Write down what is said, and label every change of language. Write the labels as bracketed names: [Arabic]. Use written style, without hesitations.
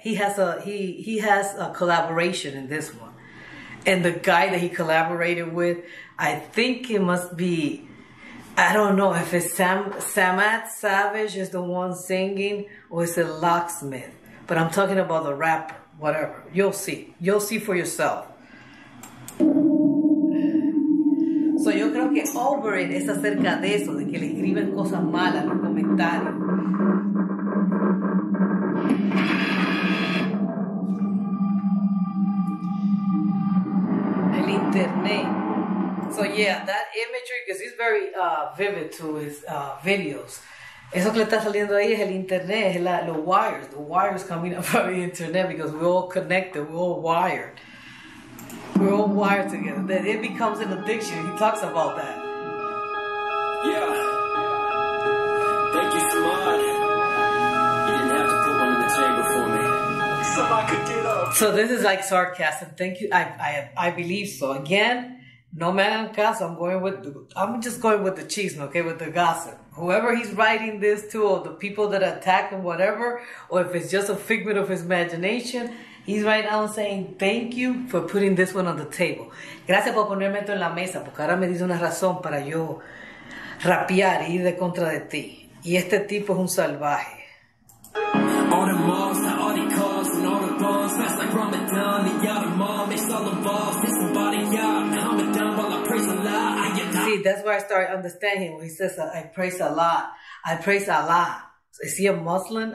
[English] He has a collaboration in this one. And the guy that he collaborated with, I think it must be, I don't know if it's Samat Savage is the one singing or is it Locksmith. But I'm talking about the rapper, whatever. You'll see. You'll see for yourself. [Spanish] So yo creo que Over It es acerca de eso, de que le escriben cosas malas en los comentarios. El internet. [English] So yeah, that imagery, because it's very vivid to his videos. [Spanish] Eso que le está saliendo ahí es el internet, es la, los wires. [English] The wires coming up from the internet because we're all connected, we're all wired. We're all wired together. That it becomes an addiction. He talks about that. Yeah. Thank you, Samad. You didn't have to put one on the table for me. Samad could get up. So this is like sarcasm. Thank you. I believe so. [Spanish] Again, no me hagan caso. [English] I'm just going with the chisme, okay, with the gossip. Whoever he's writing this to, or the people that attack him, whatever, or if it's just a figment of his imagination, he's right now saying thank you for putting this one on the table. [Spanish] Gracias por ponerme esto en la mesa, porque ahora me dice una razón para yo rapear y ir de contra de ti. Y este tipo es un salvaje. [English] All the moms, now all the calls, and all the bombs, fast like Ramadan, the other mom, it's all involved, this body, yeah, calm it down while I praise Allah. See, that's where I started understanding when he says, I praise Allah, I praise Allah. Is he a Muslim?